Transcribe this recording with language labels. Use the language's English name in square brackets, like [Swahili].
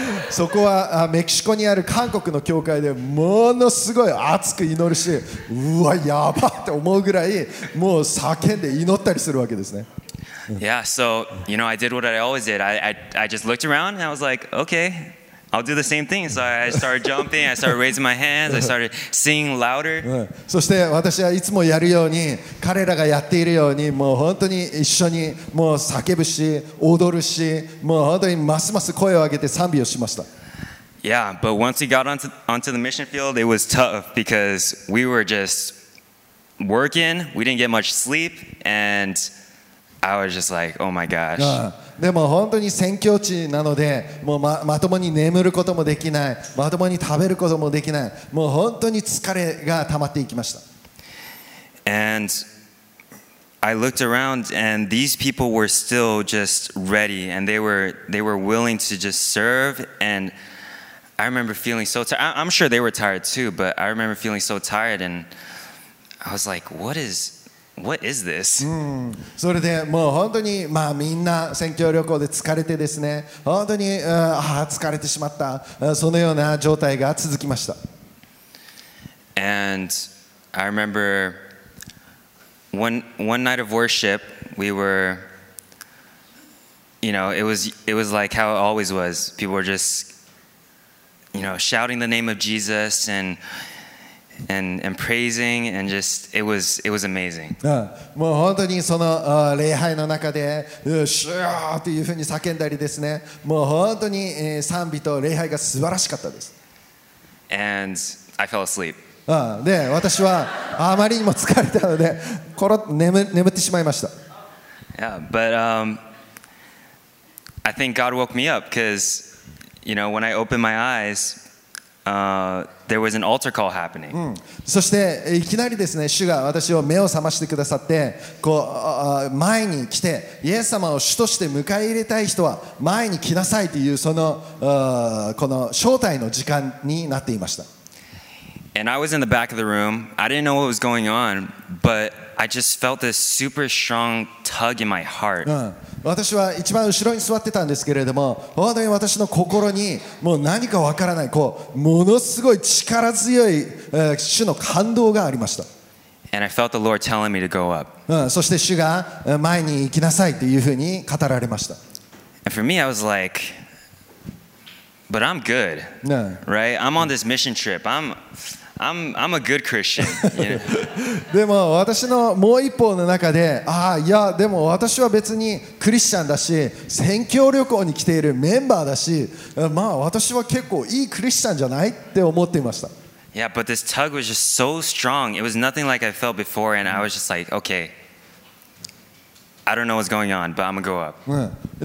[Japanese] そこはメキシコにある韓国の教会でものすごい熱く祈るし、うわやばって思うぐらいもう叫んで祈ったりするわけですね。 [English] Yeah, so you know, I did what I always did. I just looked around and I was like, okay, I'll do the same thing. So I started jumping, I started raising my hands, I started singing louder. [Japanese] そして私はいつもやるように彼らがやっているようにもう本当に一緒にもう叫ぶし踊るし、もう本当にますます声を上げて賛美をしました。 [English] Yeah, but once we got onto the mission field, it was tough because we were just working, we didn't get much sleep, and I was just like, oh my gosh. [Japanese] でも本当に宣教地なのでもう まともに眠ることもできない、まともに食べることもできない、もう本当に疲れが溜まっていきました。 [English] And I looked around and these people were still just ready and they were willing to just serve, and I remember feeling so tired. I'm sure they were tired too, but I remember feeling so tired and I was like, What is this? [Japanese] それでもう本当に、まあ、みんな選挙旅行で疲れてですね、本当に疲れてしまった、そのような状態が続きました。 [English] And I remember one night of worship, we were, you know, it was like how it always was. People were just, you know, shouting the name of Jesus and praising, and just it was amazing. [Japanese] もう本当にその礼拝の中でシューというふうに叫んだりですね、もう本当に賛美と礼拝が素晴らしかったです。 [English] And I fell asleep. [Japanese] で私はあまりにも疲れたのでコロッと眠ってしまいました。 [English] Yeah, but I think God woke me up because, you know, when I opened my eyes, there was an altar call happening. [Japanese] そしていきなりですね、主が私を目を覚ましてくださって、こう前に来て、イエス様を主として迎え入れたい人は前に来なさいというそのこの招待の時間になっていました。 [English] And I was in the back of the room. I didn't know what was going on, but I just felt this super strong tug in my heart. [Japanese] 私は一番後ろに座ってたんですけれども、本当に私の心にもう何かわからない、こうものすごい力強い主の感動がありました。 [English] And I felt the Lord telling me to go up. [Japanese] そして主が前に行きなさいというふうに語られました。 [English] And for me, I was like, but I'm good, right? I'm on this mission trip. I'm a good Christian. [Japanese] でも私のもう一方の中で、ああいやでも私は別にクリスチャンだし、宣教旅行に来ているメンバーだし、まあ私は結構いいクリスチャンじゃないって思っていました。 [English] Yeah, but this tug was just so strong. It was nothing like I felt before, and I was just like, okay, I don't know what's going on, but I'm gonna go up.